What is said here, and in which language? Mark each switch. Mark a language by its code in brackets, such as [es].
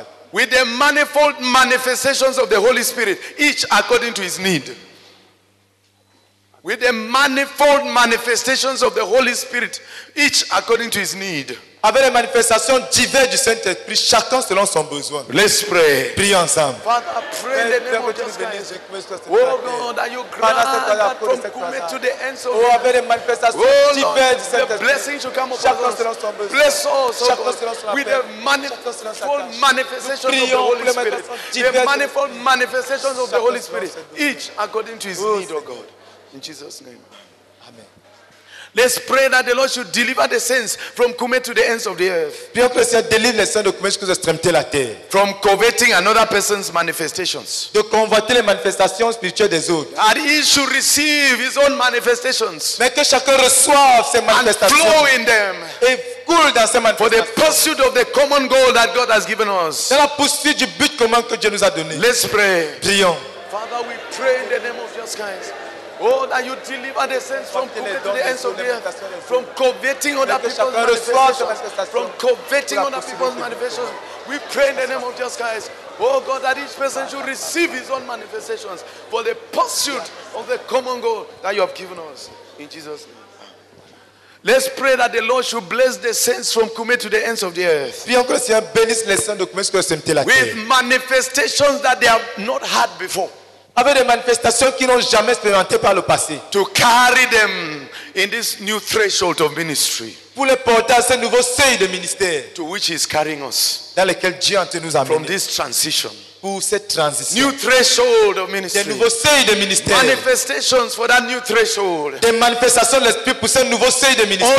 [en] With the manifold manifestations of the Holy Spirit, each according to his need. With the manifold manifestations of the Holy Spirit, each according to his need. [fr] Avec les manifestations diverses du Saint-Esprit, chacun selon son besoin. [en] Let's pray. [fr] Prions ensemble. [en] Father, pray in the name of Jesus Christ. Oh God, that you grant that from Kume to the ends of the earth. [fr] Oh, avec les manifestations diverses du Saint-Esprit. [en] The blessing should come upon us. Bless us, oh God, with the manifold manifestations of the Holy Spirit. The manifold manifestations of the Holy Spirit. Each according to his need, oh God. In Jesus' name. Let's pray that the Lord should deliver the saints from Kume to the ends of the earth. [fr] Prions que le Seigneur délivre les saints de Kume jusqu'aux extrémités de la terre. [en] From coveting another person's manifestations. [fr] De convoiter les manifestations spirituelles des autres. [en] That he should receive his own manifestations. [fr] Mais que chacun reçoive ses manifestations. [en] And flow in them. [fr] Et coule dans ces manifestations. [en] For the pursuit of the common goal that God has given us. [fr] Dans la poursuite du but commun que Dieu nous a donné. [en] Let's pray. [fr] Prions. [en] Father, we pray in the name of Jesus Christ. Oh, that you deliver the saints from Kume to the ends of the earth, from coveting other people's manifestations, from coveting other people's manifestations. We pray in the name of Jesus Christ. Oh God, that each person should receive his own manifestations for the pursuit of the common goal that you have given us. In Jesus' name. Let's pray that the Lord should bless the saints from Kume to the ends of the earth. With manifestations that they have not had before. [fr] Avec des manifestations qu'ils n'ont jamais expérimentées par le passé. [en] To carry them in this new threshold of ministry. [fr] Pour les porter à ce nouveau seuil de ministère. [en] To which he is carrying us. [fr] Dans lequel Dieu entre nous amène. [en] From this transition. [fr] Pour cette transition. [en] New threshold of ministry. [fr] Des nouveaux seuils de ministère. [en] Manifestations for that new threshold. [fr] Des manifestations de l'esprit pour ce nouveau seuil de ministère.